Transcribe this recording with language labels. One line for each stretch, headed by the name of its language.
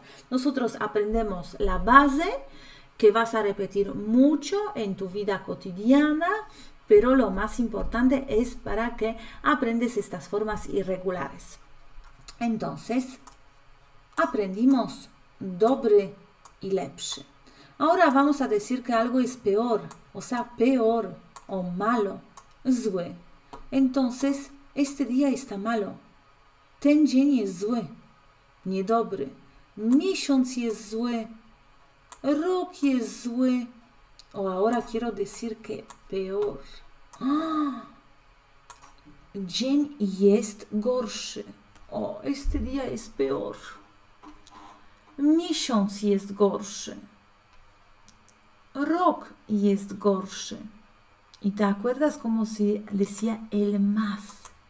Spanish: Nosotros aprendemos la base, que vas a repetir mucho en tu vida cotidiana, pero lo más importante es para que aprendes estas formas irregulares. Entonces, aprendimos dobry y lepszy. Ahora vamos a decir que algo es peor, o sea, peor o malo, złe. Entonces, este día está malo.
Polish: Ten dzień jest zły, niedobry. Miesiąc jest zły. Rok jest zły.
Spanish: O, ahora quiero decir que peor.
Polish: ¡Oh! Dzień jest gorszy.
Spanish: O, este día es peor.
Polish: Miesiąc jest gorszy. Rok jest gorszy.
Spanish: ¿Y te acuerdas cómo se decía el más?